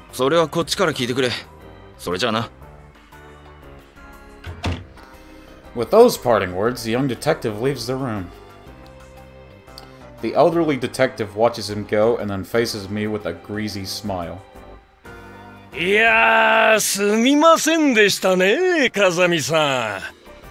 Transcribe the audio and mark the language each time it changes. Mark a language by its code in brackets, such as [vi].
[ja] それはこっちから聞いてくれ。それじゃな。 [en] With those parting words, the young detective leaves the room. The elderly detective watches him go and then faces me with a greasy smile. [ja] いやー、すみませんでしたね、風見さん。